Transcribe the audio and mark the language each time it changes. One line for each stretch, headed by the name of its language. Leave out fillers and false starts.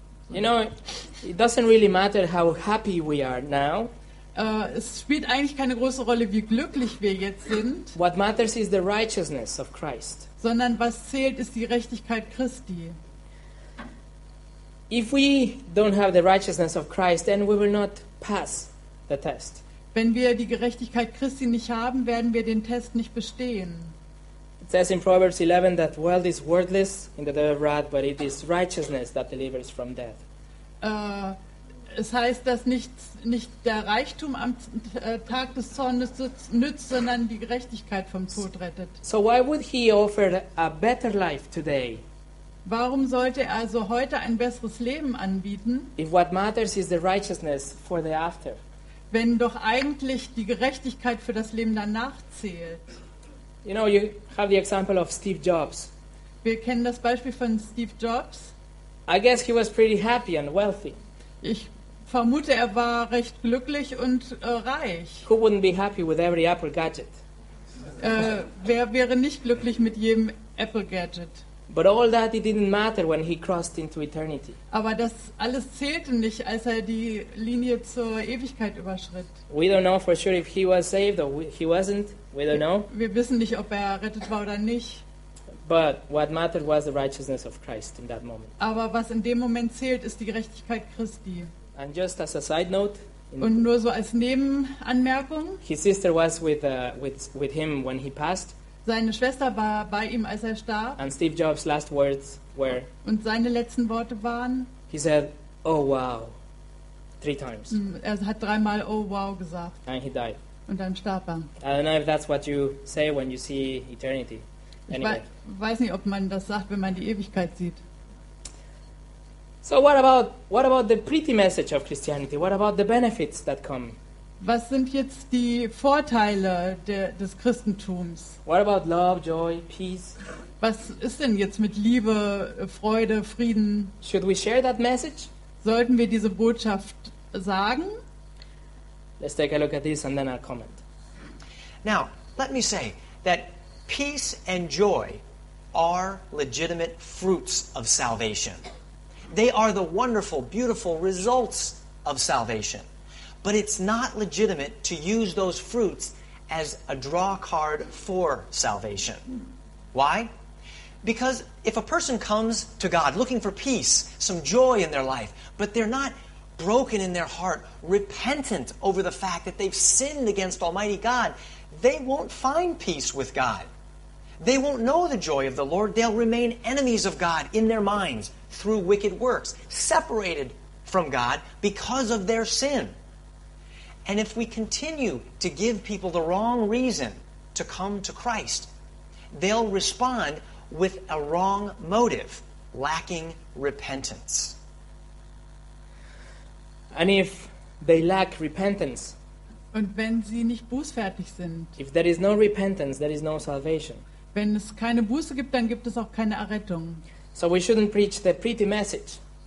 English: You know, it doesn't really matter how happy we are now.
German: Es spielt eigentlich keine große Rolle, wie glücklich wir jetzt sind.
English: What matters is the righteousness of Christ.
German: Sondern was zählt, ist die Gerechtigkeit Christi.
English: If we don't have the righteousness of Christ, then we will not pass the test.
German: Wenn wir die Gerechtigkeit Christi nicht haben, werden wir den Test nicht bestehen.
English: It says in Proverbs 11 that wealth is worthless in the day of wrath, but it is righteousness that delivers from death.
German: Es heißt, dass nicht der Reichtum am Tag des Zornes nützt, sondern die Gerechtigkeit vom Tod rettet.
English: So why would he offer a better life today?
German: Warum sollte er also heute ein besseres Leben anbieten?
English: If what matters is the righteousness for the after.
German: Wenn doch eigentlich die Gerechtigkeit für das Leben danach zählt.
English: You know, you have the example of Steve Jobs.
German: Wir kennen das Beispiel von Steve Jobs.
English: I guess he was pretty happy and wealthy.
German: Ich vermute, er war recht glücklich und reich.
English: Who wouldn't be happy with every Apple gadget?
German: Wer wäre nicht glücklich mit jedem Apple gadget?
English: But all that it didn't matter when he crossed into eternity.
German: Aber das alles zählte nicht, als er die Linie zur Ewigkeit überschritt.
English: We don't know for sure if he was saved or he wasn't. We don't know.
German: Wir wissen nicht, ob er errettet war oder nicht.
English: But what mattered was the righteousness of Christ in that moment.
German: Aber was in dem Moment zählt, ist die Gerechtigkeit Christi.
English: And just as a side note.
German: Und nur so als Nebenanmerkung.
English: His sister was with him when he passed.
German: Seine Schwester war bei ihm, als er starb.
English: And Steve Jobs' last words were.
German: Und seine letzten Worte waren.
English: He said, "Oh wow," 3 times.
German: Er hat dreimal
English: "Oh wow"
German: gesagt.
English: And he died.
German: Und dann starb er.
English: I don't know if that's what you say when you see eternity. Anyway.
German: Ich weiß nicht, ob man das sagt, wenn man die Ewigkeit sieht.
English: So what about the pretty message of Christianity? What about the benefits that come?
German: Was sind jetzt die Vorteile des Christentums?
English: What about love, joy, peace?
German: Was ist denn jetzt mit Liebe, Freude, Frieden?
English: Should we share that message?
German: Sollten wir diese Botschaft sagen?
English: Let's take a look at this and then I'll comment. Now, let me say that peace and joy are legitimate fruits of salvation. They are the wonderful, beautiful results of salvation. But it's not legitimate to use those fruits as a draw card for salvation. Why? Because if a person comes to God looking for peace, some joy in their life, but they're not broken in their heart, repentant over the fact that they've sinned against Almighty God, they won't find peace with God. They won't know the joy of the Lord. They'll remain enemies of God in their minds through wicked works, separated from God because of their sin. And if we continue to give people the wrong reason to come to Christ, they'll respond with a wrong motive, lacking repentance. And if they lack repentance,
German: und wenn sie nicht bußfertig sind,
English: if there is no repentance, there is no salvation.
German: Wenn es keine Buße gibt, dann gibt es auch keine Errettung.
English: So we shouldn't preach the pretty message.